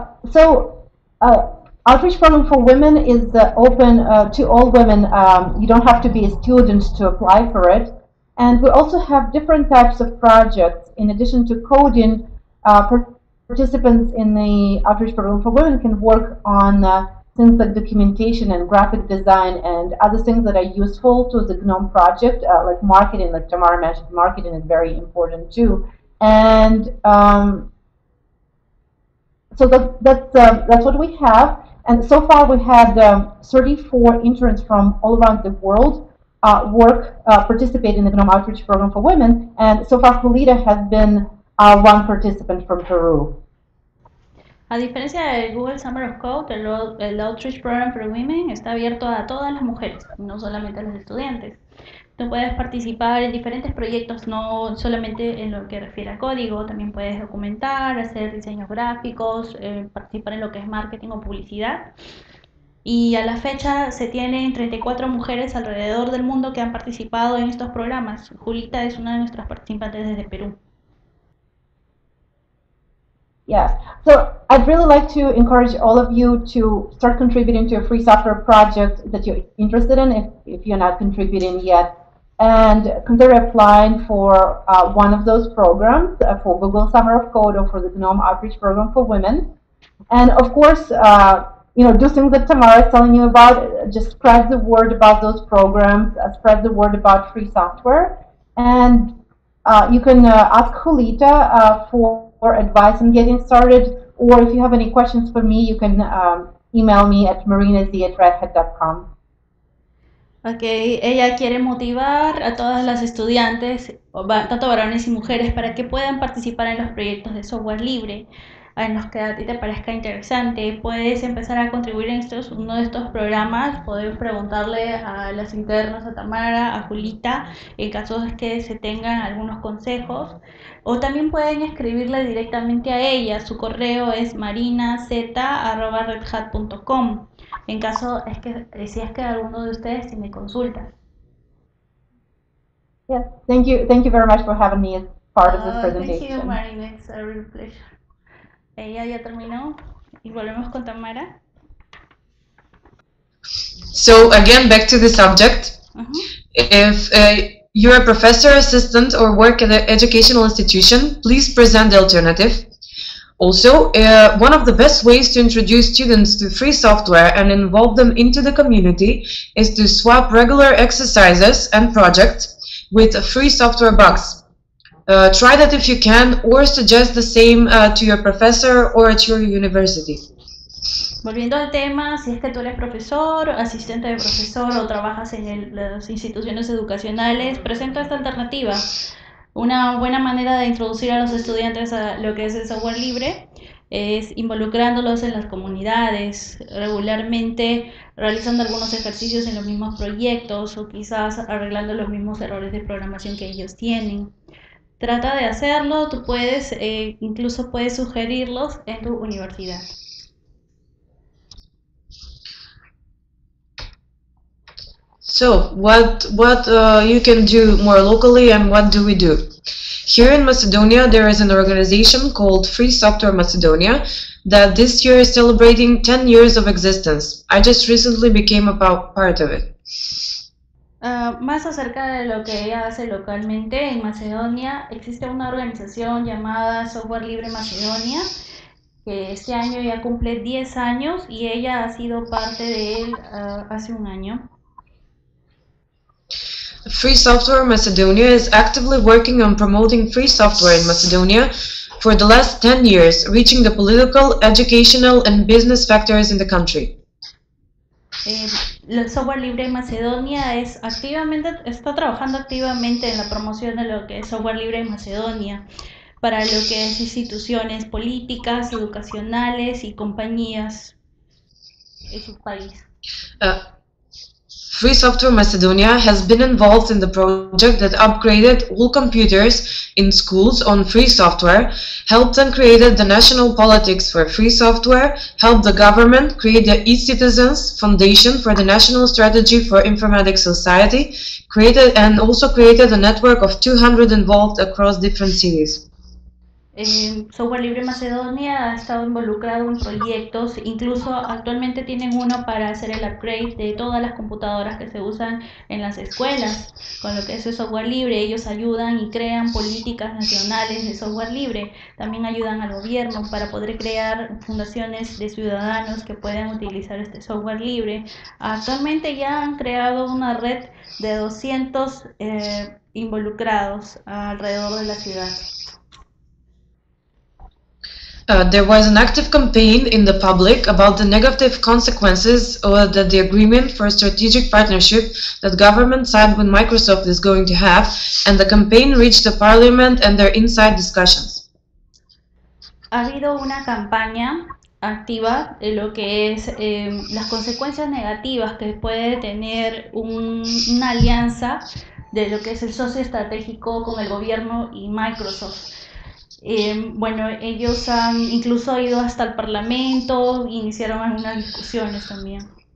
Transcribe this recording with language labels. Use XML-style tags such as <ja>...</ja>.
<en>So, Outreach Program for Women is open to all women. You don't have to be a student to apply for it. And we also have different types of projects. In addition to coding, participants in the Outreach Program for Women can work on things like documentation and graphic design and other things that are useful to the GNOME project, like marketing. Like Tamara mentioned, marketing is very important too. And so that's what we have, and so far we had 34 interns from all around the world participate in the GNOME Outreach Program for Women, and so far Julita has been one participant from Peru.</en> <es>A diferencia del Google Summer of Code, el Outreach Program for Women está abierto a todas las mujeres, no solamente a los estudiantes. Tú puedes participar en diferentes proyectos, no solamente en lo que refiere a código, también puedes documentar, hacer diseños gráficos, participar en lo que es marketing o publicidad. Y a la fecha se tienen 34 mujeres alrededor del mundo que han participado en estos programas. Julita es una de nuestras participantes desde Perú.</es> <en>Yes, so I'd really like to encourage all of you to start contributing to a free software project that you're interested in if you're not contributing yet. And consider applying for one of those programs, for Google Summer of Code or for the GNOME Outreach Program for Women. And of course, you know, do things that Tamara is telling you about. Just spread the word about those programs, spread the word about free software. And you can ask Julita for advice on getting started, or if you have any questions for me, you can email me at marina@redhat.com.</en> <es>Okay, ella quiere motivar a todas las estudiantes, tanto varones y mujeres, para que puedan participar en los proyectos de software libre en los que a ti te parezca interesante. Puedes empezar a contribuir en estos, uno de estos programas, puedes preguntarle a las internas, a Tamara, a Julita, en caso de que se tengan algunos consejos. O también pueden escribirle directamente a ella, su correo es marinaz@redhat.com. En caso es que si es que alguno de ustedes tiene consultas.</es> <en>Yes, thank you very much for having me as part of this presentation. Thank you, Marina. It's a real pleasure.</en> <es>Ella ya terminó y volvemos con Tamara.</es> <en>So again, back to the subject. Uh-huh. If you're a professor assistant or work at an educational institution, please present the alternative. Also, one of the best ways to introduce students to free software and involve them into the community is to swap regular exercises and projects with a free software box. Try that if you can, or suggest the same to your professor or at your university.</en> <es>Volviendo al tema, si es que tú eres profesor, asistente de profesor o trabajas en las instituciones educacionales, presenta esta alternativa. Una buena manera de introducir a los estudiantes a lo que es el software libre es involucrándolos en las comunidades, regularmente realizando algunos ejercicios en los mismos proyectos o quizás arreglando los mismos errores de programación que ellos tienen. Trata de hacerlo, tú puedes, incluso puedes sugerirlos en tu universidad.</es> <en>So, what you can do more locally, and what do we do? Here in Macedonia, there is an organization called Free Software Macedonia that this year is celebrating 10 years of existence. I just recently became a part of it.</en> <es>Más acerca de lo que ella hace localmente en Macedonia, existe una organización llamada Software Libre Macedonia, que este año ya cumple 10 años y ella ha sido parte de él hace un año.</es> <en>Free Software Macedonia is actively working on promoting free software in Macedonia for the last 10 years, reaching the political, educational, and business factors in the country.</en> <es>El software libre en Macedonia está trabajando activamente en la promoción de lo que es software libre en Macedonia, para lo que es instituciones políticas, educacionales y compañías en su país.</es> <en>Free Software Macedonia has been involved in the project that upgraded all computers in schools on free software, helped and created the national politics for free software, helped the government create the e-citizens foundation for the national strategy for informatics society, created and also created a network of 200 involved across different cities.</en> <es>Software Libre Macedonia ha estado involucrado en proyectos, incluso actualmente tienen uno para hacer el upgrade de todas las computadoras que se usan en las escuelas, con lo que es el software libre. Ellos ayudan y crean políticas nacionales de software libre, también ayudan al gobierno para poder crear fundaciones de ciudadanos que puedan utilizar este software libre. Actualmente ya han creado una red de 200 involucrados alrededor de la ciudad.</es> <en>There was an active campaign in the public about the negative consequences that the agreement for a strategic partnership that government signed with Microsoft is going to have, and the campaign reached the parliament and their inside discussions.</en> <es>Ha habido una campaña activa en lo que es las consecuencias negativas que puede tener una alianza de lo que es el socio estratégico con el gobierno y Microsoft. Bueno, ellos han incluso ido hasta el Parlamento, iniciaron algunas discusiones también.</es>